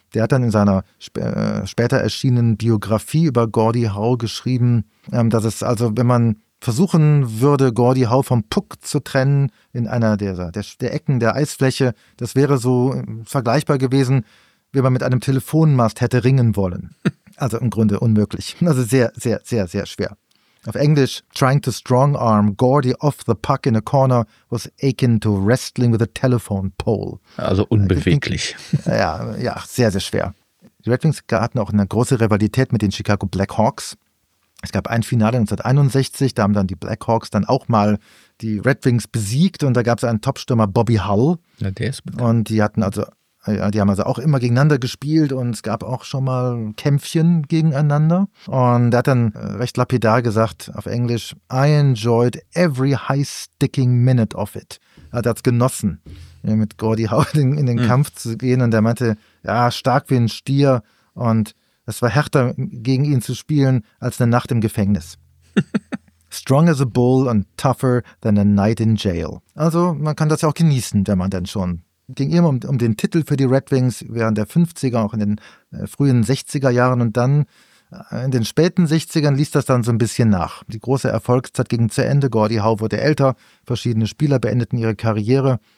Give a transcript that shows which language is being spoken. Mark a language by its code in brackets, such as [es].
[de] Der hat dann in seiner später erschienenen Biografie über Gordie Howe geschrieben, dass es also, wenn man versuchen würde, Gordie Howe vom Puck zu trennen in einer der Ecken der Eisfläche, das wäre so vergleichbar gewesen, wie man mit einem Telefonmast hätte ringen wollen. Also im Grunde unmöglich. Also sehr, sehr, sehr, sehr schwer. Auf Englisch, [en] trying to strong arm Gordie off the puck in a corner was akin to wrestling with a telephone pole. [de] Also unbeweglich. Ja, sehr, sehr schwer. Die Red Wings hatten auch eine große Rivalität mit den Chicago Blackhawks. Es gab ein Finale 1961, da haben dann die Blackhawks dann auch mal die Red Wings besiegt und da gab es einen Topstürmer Bobby Hull. Ja, der ist bekannt. Und die hatten also... Ja, die haben also auch immer gegeneinander gespielt und es gab auch schon mal Kämpfchen gegeneinander. Und er hat dann recht lapidar gesagt auf Englisch, [en] I enjoyed every high-sticking minute of it. [de] Er hat es genossen, mit Gordie Howe in den Kampf zu gehen. Und er meinte, ja, stark wie ein Stier. Und es war härter, gegen ihn zu spielen, als eine Nacht im Gefängnis. [en] Strong as a bull and tougher than a night in jail. [de] Also man kann das ja auch genießen, wenn man dann schon... Ging immer um den Titel für die Red Wings während der 50er, auch in den frühen 60er Jahren und dann in den späten 60ern ließ das dann so ein bisschen nach. Die große Erfolgszeit ging zu Ende, Gordie Howe wurde älter, verschiedene Spieler beendeten ihre Karriere.